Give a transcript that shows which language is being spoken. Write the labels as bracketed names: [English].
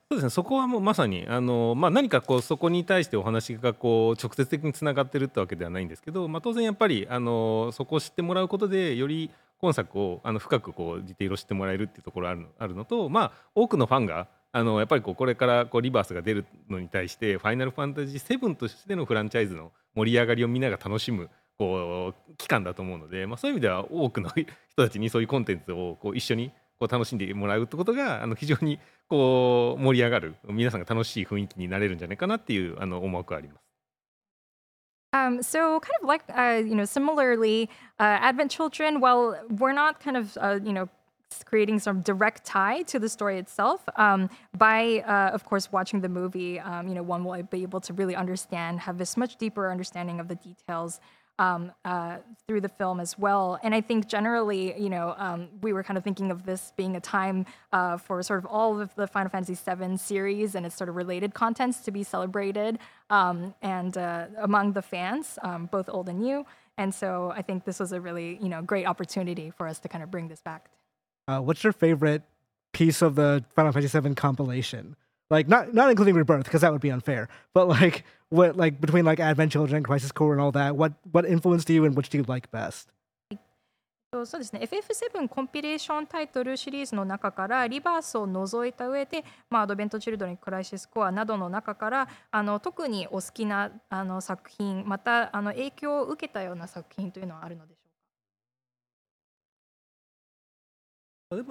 [Japanese] そうですね、そこはもうまさに、まあ、何かこうそこに対してお話がこう直接的につながってるってわけではないんですけど、まあ、当然やっぱりそこを知ってもらうことでより今作を深くこうディテールを知ってもらえるっていうところがあるのと、まあ、多くのファンがやっぱりこうこれからこうリバースが出るのに対してファイナルファンタジー7としてのフランチャイズの盛り上がりをみんなが楽しむこう期間だと思うので、まあ、そういう意味では多くの人たちにそういうコンテンツをこう一緒にこう楽しんでもらうってことが非常にこう盛り上がる、皆さんが楽しい雰囲気になれるんじゃないかなっていう思惑があります。 [English] So kind of like you know, similarly, Advent Children, while we're not kind of you know, creating some direct tie to the story itself, by of course watching the movie, you know, one will be able to really understand, have this much deeper understanding of the details through the film as well. And I think generally, you know, we were kind of thinking of this being a time for sort of all of the Final Fantasy VII series and its sort of related contents to be celebrated among the fans, both old and new. And so I think this was a really, you know, great opportunity for us to kind of bring this back. What's your favorite piece of the Final Fantasy VII compilation? Like, not including Rebirth, because that would be unfair, but like, what, like, between like Advent Children, Crisis Core, and all that, what influenced you and which do you like best? [Japanese] そうですね、FF7 コンピレーションタイトルシリーズの中からリバースを除いた上で、まあ、アドベントチルドレンクライシスコアなどの中からあの特にお好きなあの作品またあの影響を受けたような作品というのはあるのでしょうか。